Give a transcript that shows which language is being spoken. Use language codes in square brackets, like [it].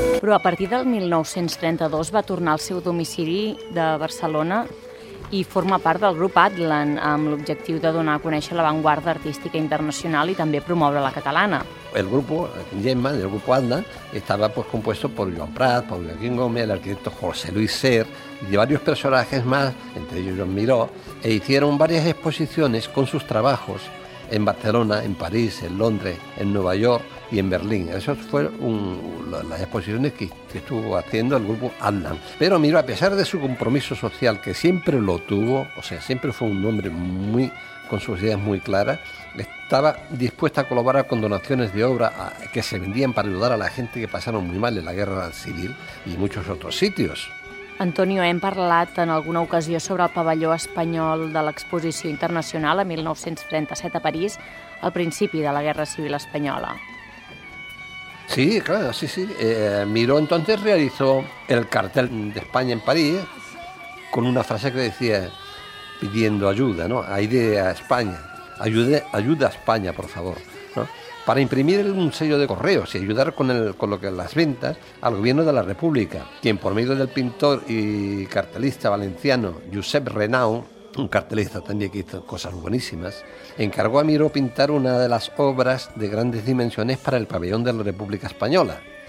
[ca] però a partir del 1932 va tornar al seu domicili de Barcelona i forma part del grup Atlant, amb l'objectiu de donar a conèixer l'avantguarda artística internacional i també promoure la catalana. [es] El grupo Gemma, el grupo Atlant, estaba pues compuesto por Joan Prat, por Joaquín Gómez, el arquitecto José Luis Ser y varios personajes más, entre ellos Joan Miró, e hicieron varias exposiciones con sus trabajos en Barcelona, en París, en Londres, en Nueva York y en Berlín. Esas fueron las exposiciones que estuvo haciendo el grupo Atlant. Pero Miró, a pesar de su compromiso social, que siempre lo tuvo, o sea, siempre fue un hombre muy, con sus ideas muy claras, estaba dispuesta a colaborar con donaciones de obra que se vendían para ayudar a la gente que pasaron muy mal en la guerra civil y muchos otros sitios. [ca] Antonio, hem parlat en alguna ocasió sobre el pavelló espanyol de l'exposició internacional a 1937 a París, al principi de la Guerra Civil Espanyola. [es] Sí, claro, sí, sí. Miró entonces realizó el cartel de España en París con una frase que decía pidiendo ayuda, ¿no? Aire a España. Ayuda a España, por favor, ¿no? Para imprimir un sello de correos y ayudar con las ventas al gobierno de la República, quien por medio del pintor y cartelista valenciano Josep Renau, un cartelista también que hizo cosas buenísimas, encargó a Miró pintar una de las obras de grandes dimensiones para el pabellón de la República Española.